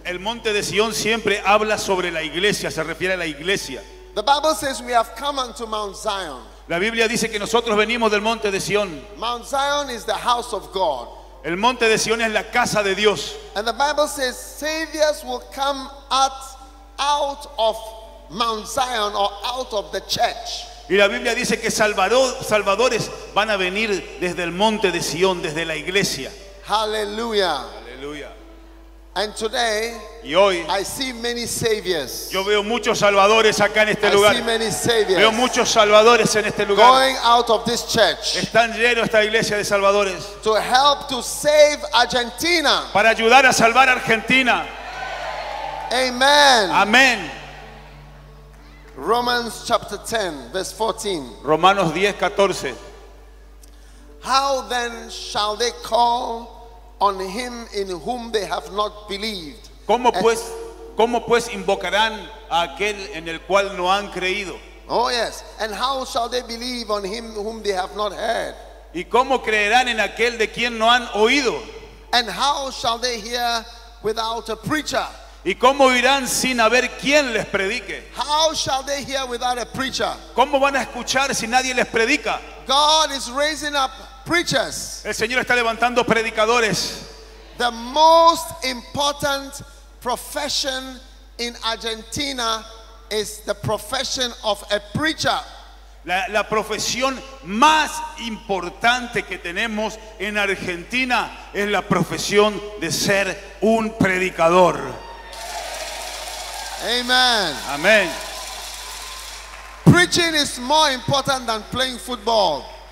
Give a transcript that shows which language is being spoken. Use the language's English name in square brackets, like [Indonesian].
[Spanish] El monte de Sion siempre habla sobre la iglesia, se refiere a la iglesia. [English] The Bible says we have come unto Mount Zion. [Spanish] La Biblia dice que nosotros venimos del monte de Sion. [English] Mount Zion is the house of God. [Spanish] El monte de Sion es la casa de Dios. [English] And the Bible says saviors will come out of Mount Zion or out of the church. [Spanish] Y la Biblia dice que salvadores van a venir desde el monte de Sion, desde la iglesia. Hallelujah. Hallelujah. [English] And today, [Spanish] y hoy, [English] I see many saviors. [Spanish] Yo veo muchos salvadores acá en este lugar. [English] I see many saviors. [Spanish] Veo muchos salvadores en este lugar. [English] Going out of this church. [Spanish] Están llenos esta iglesia de salvadores. [English] To help to save Argentina. [Spanish] Para ayudar a salvar Argentina. Amen. Amén. [English] Romans chapter 10, verse 14. [Spanish] Romanos 10, 14. [English] How then shall they call on him in whom they have not believed? [Spanish] ¿Cómo pues invocarán a aquel en el cual no han creído? [English] Oh yes, and how shall they believe on him whom they have not heard? [Spanish] ¿Y cómo creerán en aquel de quien no han oído? [English] And how shall they hear without a preacher? [Spanish] ¿Y cómo oirán sin haber quien les predique? [English] How shall they hear without a preacher? [Spanish] ¿Cómo van a escuchar si nadie les predica? [English] God is raising up preachers. [Spanish] El Señor está levantando predicadores. [English] The most important profession in Argentina is the profession of a preacher. [Spanish] La profesión más importante que tenemos en Argentina es la profesión de ser un predicador. Amen. Amen. [English] Preaching is more important than playing football.